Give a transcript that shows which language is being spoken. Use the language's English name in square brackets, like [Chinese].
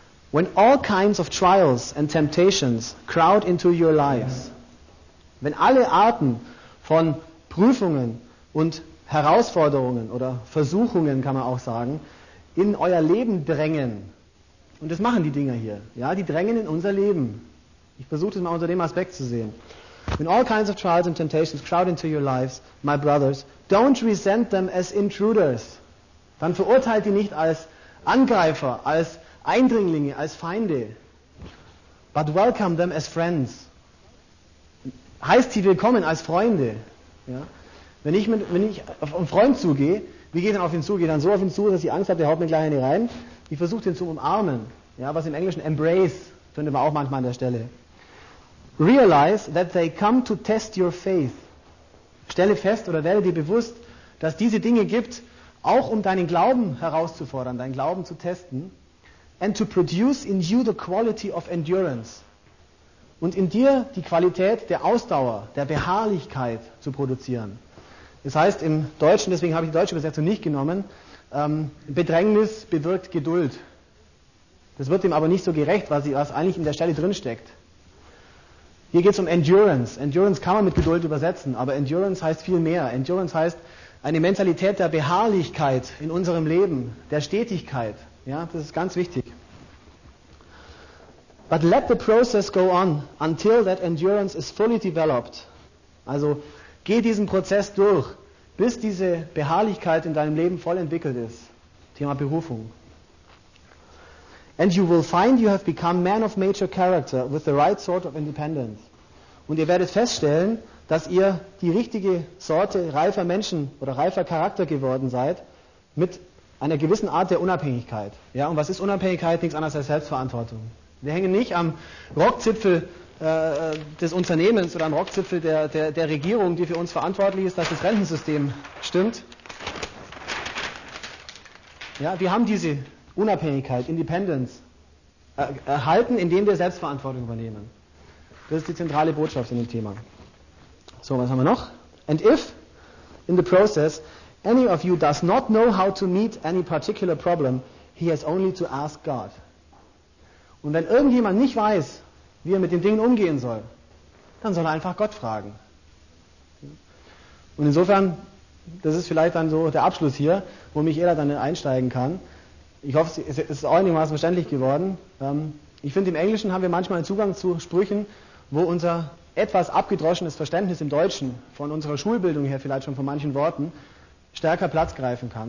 [English] When all kinds of trials and temptations crowd into your lives, [German] wenn alle Arten von Prüfungen und Herausforderungen oder Versuchungen, kann man auch sagen, in euer Leben drängen. Und das machen die Dinger hier. Ja, die drängen in unser Leben. Ich versuche das mal unter dem Aspekt zu sehen. [English] When all kinds of trials and temptations crowd into your lives, my brothers, don't resent them as intruders. [German] Dann verurteilt die nicht als Angreifer, als Eindringlinge, als Feinde. [English] But welcome them as friends. [German] Heißt sie willkommen als Freunde. Ja? Wenn ich auf einen Freund zugehe, wie geht dann auf ihn zu? Geht dann so auf ihn zu, dass ich Angst habe, der haut mir gleich eine rein. Ich versuche ihn zu umarmen. Ja, was im Englischen embrace findet man auch manchmal an der Stelle. [English] Realize that they come to test your faith. [German] Stelle fest oder werde dir bewusst, dass diese Dinge gibt, auch um deinen Glauben herauszufordern, deinen Glauben zu testen. [English] And to produce in you the quality of endurance. [German] Und in dir die Qualität der Ausdauer, der Beharrlichkeit zu produzieren. Das heißt im Deutschen, deswegen habe ich die deutsche Übersetzung nicht genommen, Bedrängnis bewirkt Geduld. Das wird dem aber nicht so gerecht, was eigentlich in der Stelle drin steckt. Hier geht es um Endurance. Endurance kann man mit Geduld übersetzen, aber Endurance heißt viel mehr. Endurance heißt eine Mentalität der Beharrlichkeit in unserem Leben, der Stetigkeit. Ja, das ist ganz wichtig. [English] But let the process go on until that endurance is fully developed. [German] Also, geh diesen Prozess durch, bis diese Beharrlichkeit in deinem Leben voll entwickelt ist. Thema Berufung. [English] And you will find you have become man of major character with the right sort of independence. [German] Und ihr werdet feststellen, dass ihr die richtige Sorte reifer Menschen oder reifer Charakter geworden seid mit einer gewissen Art der Unabhängigkeit. Ja, und was ist Unabhängigkeit? Nichts anderes als Selbstverantwortung. Wir hängen nicht am Rockzipfel des Unternehmens oder am Rockzipfel der Regierung, die für uns verantwortlich ist, dass das Rentensystem stimmt. Ja, wir haben diese Unabhängigkeit, Independence, erhalten, indem wir Selbstverantwortung übernehmen. Das ist die zentrale Botschaft in dem Thema. So, was haben wir noch? [English] And if, in the process, any of you does not know how to meet any particular problem, he has only to ask God. [German] Und wenn irgendjemand nicht weiß, wie er mit den Dingen umgehen soll, dann soll er einfach Gott fragen. Und insofern, das ist vielleicht dann so der Abschluss hier, wo Michaela dann einsteigen kann. Ich hoffe, es ist auch einigermaßen verständlich geworden. Ich finde, im Englischen haben wir manchmal einen Zugang zu Sprüchen, wo unser etwas abgedroschenes Verständnis im Deutschen, von unserer Schulbildung her vielleicht schon von manchen Worten, stärker Platz greifen kann.